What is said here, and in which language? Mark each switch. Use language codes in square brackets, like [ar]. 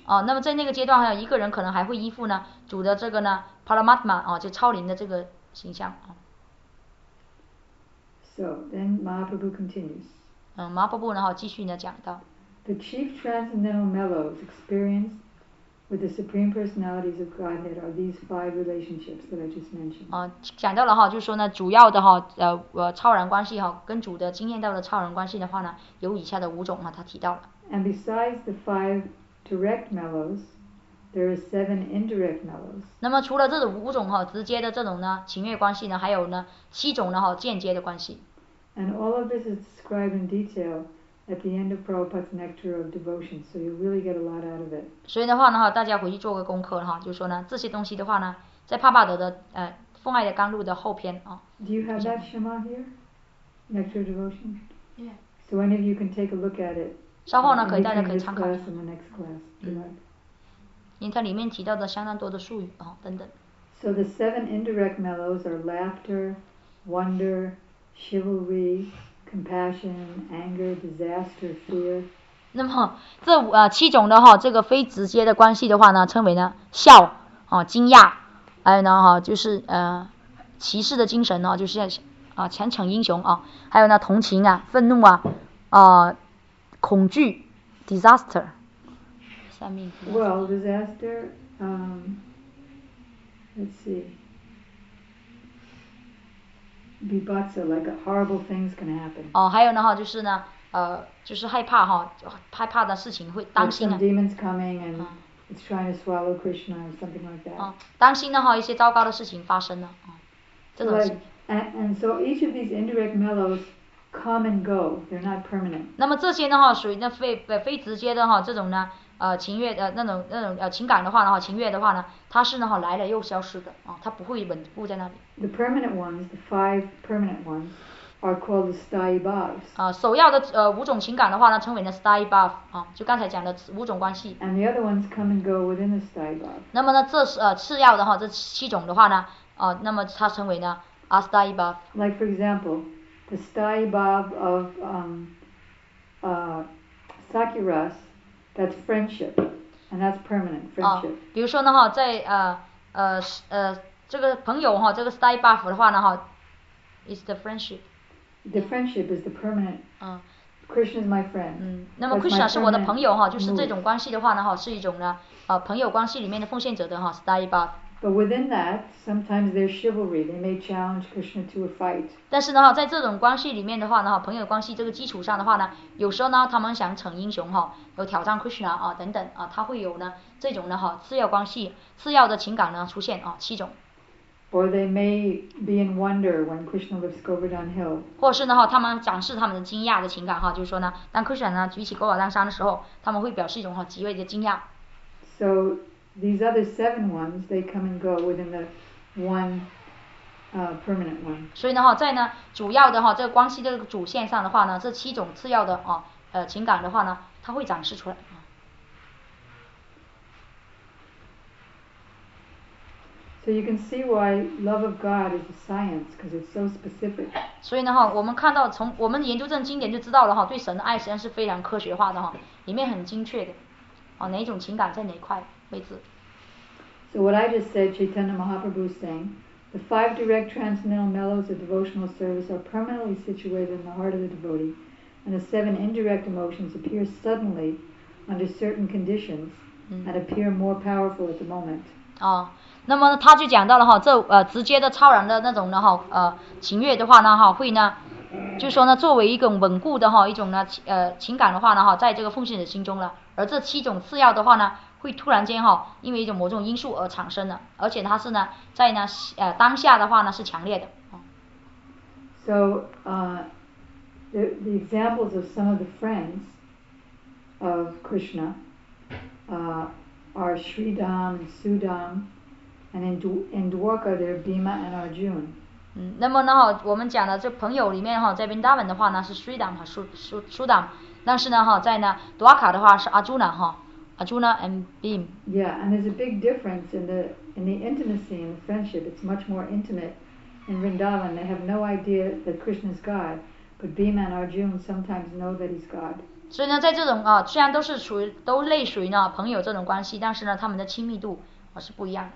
[zh] 哦，那么在那个阶段，还有一个人可能还会依附呢主的这个呢 Paramatma 哦，就超灵的这个形象啊。 [en] So then Mahaprabhu continues. [zh] 嗯，Mahaprabhu然后继续呢讲到。 [en] The chief transcendental mellows experienced with the supreme personalities of Godhead are these five relationships that I just mentioned. [zh] 哦，讲到了哈，就是说呢，主要的哈，超然关系哈，跟主的经验到的超然关系的话呢，有以下的五种哈，他提到了。 [en] And besides the five direct mellows, there are seven indirect mellows. [zh] 那么除了这种五种哈，直接的这种呢，情欲关系呢，还有呢，七种呢哈，间接的关系。 [en] And all of this is described in detail. At the end of Prabhupada's Nectar of Devotion, so you really get a lot out of it. [zh] 所以的话呢，大家回去做个功课哈，就说呢，这些东西的话呢，在帕帕德的奉爱的甘露的后篇啊。 [en] Do you have that Shema here? Nectar of Devotion. Yeah. So any of you can take a look at it. [zh] 稍后呢，可以大家可以参考。 [en] In this class and the next class, right? [zh] 因为它里面提到的相当多的术语啊，等等。 [en] So the seven indirect mellows are laughter, wonder, chivalry. Compassion, anger, disaster, fear. [zh] 那么这七种的哈，这个非直接的关系的话呢，称为呢笑啊、惊讶，还有呢哈、就是骑士的精神呢、就是虔诚英雄啊，还有呢同情啊、愤怒啊、恐惧 ，disaster. [en] Well, disaster. Let's see. Vibhatsa, like horrible things can happen. [zh] 哦，还有呢哈，就是呢，就是害怕哈，害怕的事情会担心啊。 [en] Like、some demons coming and it's trying to swallow Krishna or something like that. [zh] 哦，担心呢哈，一些糟糕的事情发生了。 [en] So each of these indirect mellows come and go; they're not permanent. [zh] 那么这些呢哈，属于那非直接的哈，这种呢，情欲那种情感的话呢哈，情欲的话呢，它是呢哈来了又消失的啊，它不会稳固在那里。 [en] The permanent ones, the five permanent ones, are called the sthayi bhavs. [zh] 啊，首要的五种情感的话呢，称为呢 sthayi bhav 啊，就刚才讲的五种关系。 [en] And the other ones come and go within the sthayi bhav. [zh] 那么呢，这是次要的哈，这七种的话呢，那么它称为呢 asthayi bhav. [en] Like for example, the sthayi bhav of sakiras, that's friendship, and that's permanent friendship. [zh] 啊，比如说呢哈，在这个朋友哈，这个 stay buff 的话呢哈 ， [en] is the friendship. The friendship is the permanent. Krishna is my friend. [zh] 那么 Krishna 是我的朋友哈，就是这种关系的话呢哈，是一种呢朋友关系里面的奉献者的哈 stay buff. [en] But within that, sometimes there's chivalry. They may challenge Krishna to a fight. [zh] 但是呢哈，在这种关系里面的话呢哈，朋友关系这个基础上的话呢，有时候呢他们想逞英雄哈，有挑战 Krishna 啊等等啊，他会有呢这种呢哈次要关系、次要的情感呢出现啊七种。 [en] Or they may be in wonder when Krishna lifts Govardhan Hill. [zh] 或是呢哈，他们展示他们的惊讶的情感哈，就是说呢，当 Krishna 呢举起 Govardhan 山的时候，他们会表示一种哈极为的惊讶。 [en] So these other seven ones, they come and go within the one, permanent one. [zh] 所以呢哈，在呢主要的哈这个关系这个主线上的话呢，这七种次要的啊情感的话呢，它会展示出来。 [en] So you can see why love of God is a science, because it's so specific. [zh] 所以呢哈，我们看到从我们研究这经典就知道了哈，对神的爱实际上是非常科学化的哈，里面很精确的，啊哪种情感在哪块位置。 [en] So what I just said, Chaitanya Mahaprabhu is saying, the five direct transcendental mellows of devotional service are permanently situated in the heart of the devotee, and the seven indirect emotions appear suddenly under certain conditions and appear more powerful at the moment. [zh] 啊。那么他就讲到了哈，这直接的超然的那种呢哈，情欲的话呢哈，会呢，就说呢，作为一种稳固的哈一种呢情感的话呢哈，在这个奉行者心中呢，而这七种次要的话呢，会突然间哈因为一种某种因素而产生的，而且它是呢在呢当下的话呢是强烈的。 [en] So, the examples of some of the friends of Krishna, are Shri Dham, Su Dham, and in Dwarka there are Bhima and Arjuna. [zh] 那么呢，我们讲的这朋友里面哈，在宾达文的话呢是 Shri Dham 和 Su Dham， 但是呢哈，在呢 Dwarka 的话是 Arjuna 哈 ， [en] Arjuna and Bhim。 Yeah, and there's a big difference in the intimacy and the friendship. It's much more intimate in Vrindavan. They have no idea that Krishna's God, but Bhima and Arjuna sometimes know that he's God. [zh] 所以呢，在这种虽然都类属于呢朋友这种关系，但是呢，他们的亲密度是不一样。